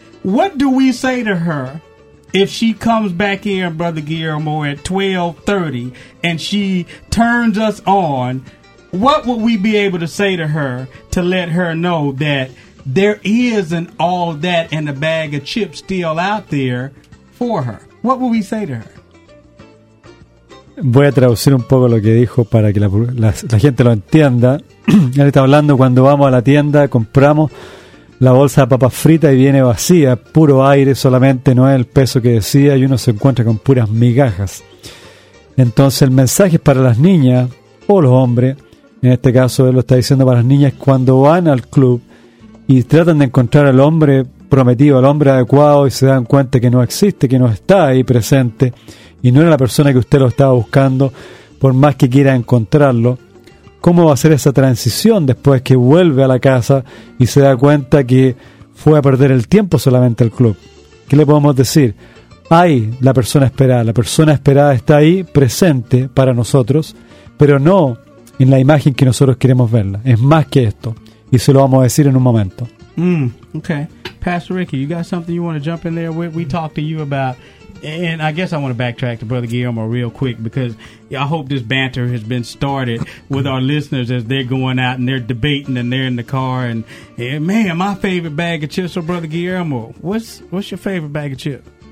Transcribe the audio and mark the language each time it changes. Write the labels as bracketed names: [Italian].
[English] What do we say to her if she comes back here, Brother Guillermo, at 12:30 and she turns us on? What would we be able to say to her to let her know that there isn't all that in the bag of chips still out there for her? What would we say to her? [Spanish] Voy a traducir un poco lo que dijo para que la gente lo entienda. Él está hablando cuando vamos a la tienda, compramos la bolsa de papas fritas y viene vacía, puro aire solamente, no es el peso que decía, y uno se encuentra con puras migajas. Entonces el mensaje es para las niñas, o los hombres, en este caso él lo está diciendo para las niñas, cuando van al club y tratan de encontrar al hombre prometido, al hombre adecuado, y se dan cuenta que no existe, que no está ahí presente, y no era la persona que usted lo estaba buscando, por más que quiera encontrarlo, ¿cómo va a ser esa transición después que vuelve a la casa y se da cuenta que fue a perder el tiempo solamente al club? ¿Qué le podemos decir? Hay la persona esperada. La persona esperada está ahí, presente para nosotros, pero no en la imagen que nosotros queremos verla. Es más que esto. Y se lo vamos a decir en un momento. [English] Okay. Pastor Ricky, you got something you want to jump in there with? We talked to you about... And I guess I want to backtrack to Brother Guillermo real quick, because I hope this banter has been started with our listeners as they're going out and they're debating and they're in the car. And, man, my favorite bag of chips. So, Brother Guillermo, what's your favorite bag of chips?